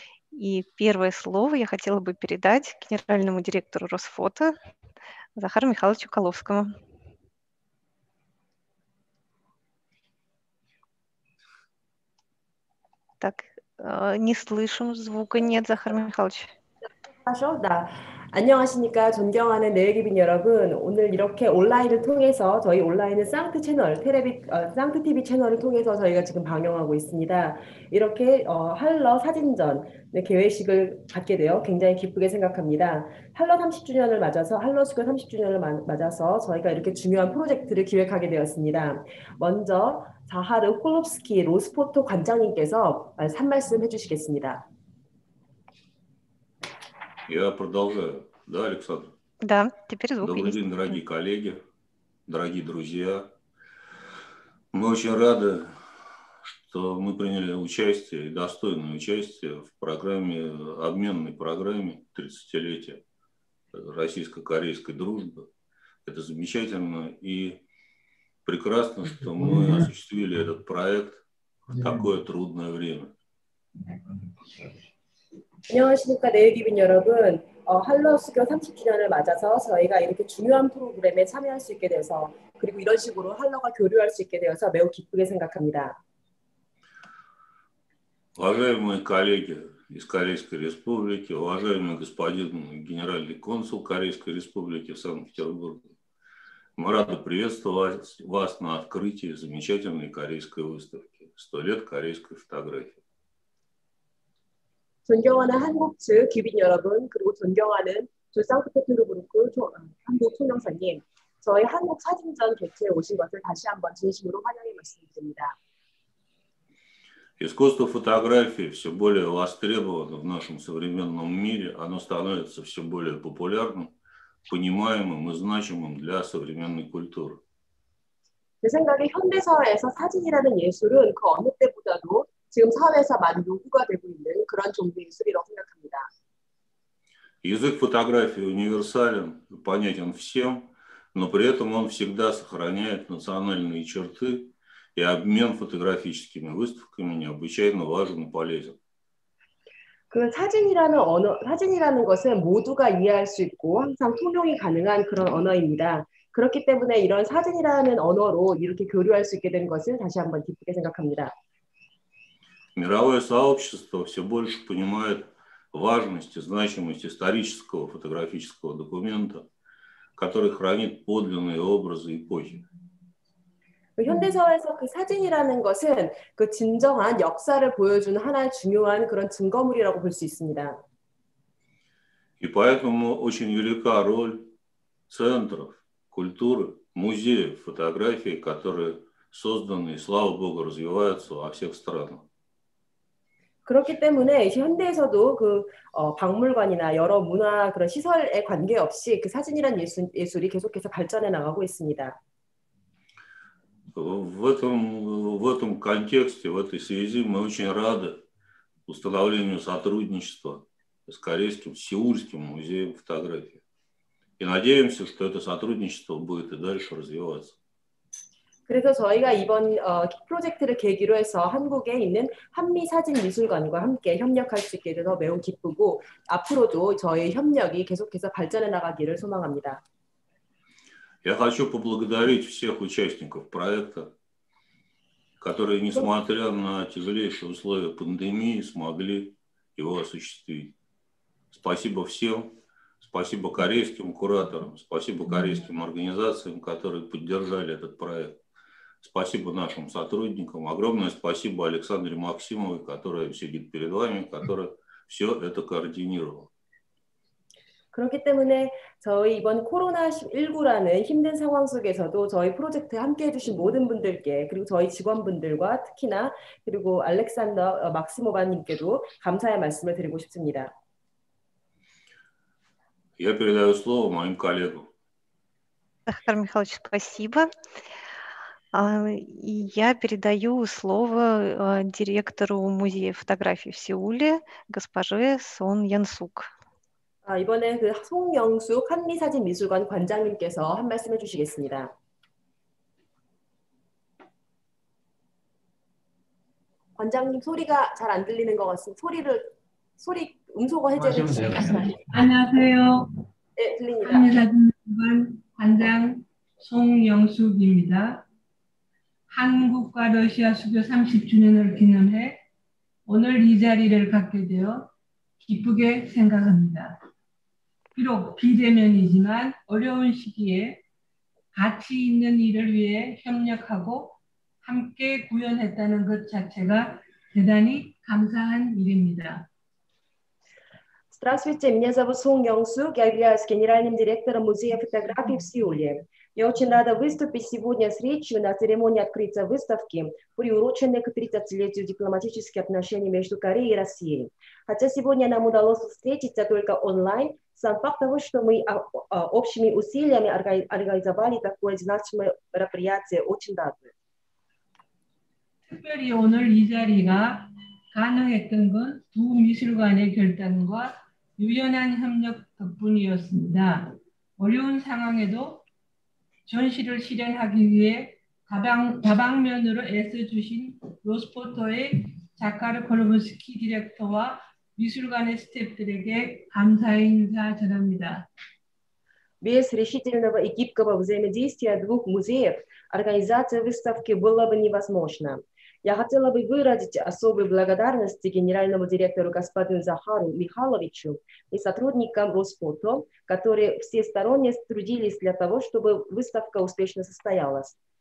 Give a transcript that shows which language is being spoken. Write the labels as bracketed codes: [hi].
[ru] И первое слово я хотела бы передать генеральному директору Росфото Захару Михайловичу Коловскому. Так, не слышим звука, нет, Захар Михайлович. Да. [ko] 안녕하십니까, 존경하는 네일기빈 여러분. 오늘 이렇게 온라인을 통해서 저희 온라인은 쌍트 채널, 쌍트TV 채널을 통해서 저희가 지금 방영하고 있습니다. 이렇게 할러 사진전의 개회식을 갖게 되어 굉장히 기쁘게 생각합니다. 할러 수교 30주년을 맞아서 저희가 이렇게 중요한 프로젝트를 기획하게 되었습니다. 먼저 자하르 홀롭스키 로스포토 관장님께서 한 말씀 해주시겠습니다. [ru] Я продолжаю. Да, Александр? Да, теперь звук Добрый есть. день, дорогие коллеги, дорогие друзья. Мы очень рады, что мы приняли участие, достойное участие в программе, обменной программе 30-летия российско-корейской дружбы. Это замечательно и прекрасно, что мы осуществили этот проект в такое трудное время. [ko] 안녕하십니까, 내일 기빈 여러분. 할러 수교 30주년을 맞아서 저희가 이렇게 중요한 프로그램에 참여할 수 있게 되어서 그리고 이런 식으로 할러가 교류할 수 있게 되어서 매우 기쁘게 생각합니다. [ru] Уважаемые коллеги из Корейской Республики, уважаемый господин генеральный консул Корейской Республики в Санкт-Петербурге, мы рады приветствовать вас на открытии замечательной корейской выставки «100 лет корейской фотографии». [ko] 존경하는 한국 측 기빈 여러분, 그리고 존경하는 조 상크페테르부르크 한국 총영사님, 저희 한국 사진전 개최에 오신 것을 다시 한번 진심으로 환영의 말씀을 드립니다. [ru] Искусство фотографии все более востребовано в нашем современном мире. Оно становится все более популярным, понимаемым и значимым для современной культуры. [ko] 제 생각에 현대사회에서 사진이라는 예술은 그 어느 때보다도 지금 사회에서 많이 요구가 되고 있는 그런 종류의 예술이라고 생각합니다. [ru] Язык фотографии универсален, понятен всем, но при этом он всегда сохраняет национальные черты, и обмен фотографическими выставками необычайно важен и полезен. [ko] 그 사진이라는 것은 모두가 이해할 수 있고 항상 통용이 가능한 그런 언어입니다. 그렇기 때문에 이런 사진이라는 언어로 이렇게 교류할 수 있게 된 것을 다시 한번 기쁘게 생각합니다. [ru] Мировое сообщество все больше понимает важность и значимость исторического фотографического документа, который хранит подлинные образы эпохи. [ko] 현대사회에서 그 사진이라는 것은 그 진정한 역사를 보여주는 하나의 중요한 그런 증거물이라고 볼 수 있습니다. [ru] И поэтому очень велика роль центров культуры, музеев, фотографий, которые созданы и, слава Богу, развиваются во всех странах. [ko] 그렇기 때문에 현대에서도 그 박물관이나 여러 문화 그런 시설에 관계없이 그 사진이란 예술이 계속해서 발전해 나가고 있습니다. [ru] В этом контексте, в этой связи мы очень рады установлению сотрудничества с корейским Сеульским музеем фотографии. И надеемся, что это сотрудничество будет и дальше развиваться. [ko] 그래서 저희가 이번 프로젝트를 계기로 해서 한국에 있는 한미사진미술관과 함께 협력할 수 있게 돼서 매우 기쁘고 앞으로도 저희 협력이 계속해서 발전해 나가기를 소망합니다. [ru] Я хочу поблагодарить всех участников проекта, которые, несмотря на тяжелейшие условия пандемии, смогли его осуществить. Спасибо всем. Спасибо корейским кураторам. Спасибо корейским организациям, которые поддержали этот проект. Спасибо нашим сотрудникам. Огромное спасибо Александре Максимовой, которая сидит перед вами, которая все это координировала. [ko] 그렇기 때문에 저희 이번 코로나19라는 힘든 상황 속에서도 저희 프로젝트에 함께 해주신 모든 분들께, 그리고 저희 직원분들과 특히나, 그리고 알렉산더 막시모바님께도 감사의 말씀을 드리고 싶습니다. [ru] Я передаю слово моим коллегам. Захар Михайлович, спасибо. Я передаю слово директору музея фотографий в Сеуле, госпоже Сон Янсук. [ko] 이번에 그 송영숙 한미사진미술관 관장님께서 한 말씀해 주시겠습니다. 관장님 소리가 잘안 들리는 것 같습니다. 소리 음소거 해제를 마시면 돼요. 주시겠습니다. 안녕하세요. 네, 들립니다. 한미사진미술관 관장 송영숙입니다. 한국과 러시아 수교 30주년을 기념해 오늘 이 자리를 갖게 되어 기쁘게 생각합니다. 비록 비대면이지만 어려운 시기에 가치 있는 일을 위해 협력하고 함께 구현했다는 것 자체가 대단히 감사한 일입니다. [ru] Здравствуйте, меня зовут Сун Янсук, я являюсь генеральным директором музея фотографий в Сеуле. Я очень рада выступить сегодня с речью на церемонии открытия выставки, приуроченной к 30-летию дипломатических отношений между Кореей и Россией. Хотя сегодня нам удалось встретиться только онлайн, сам факт того, что мы общими усилиями организовали такое значимое мероприятие, очень радует. [ko] 특별히 오늘 이 자리가 가능했던 건두 미술관의 결단과 유연한 협력 덕분이었습니다. 어려운 상황에도 전시를 실현하기 위해 다방면으로 애써주신 로스포터의 자카르 콜로브스키 디렉터와 미술관의 스태프들에게 감사의 인사 전합니다. [ru] Без решительного и гибкого взаимодействия двух музеев организация выставки была бы невозможна. Я хотела бы выразить особую благодарность генеральному директору господину Захару Михайловичу и сотрудникам Росфото, которые всесторонне трудились для того, чтобы выставка успешно состоялась.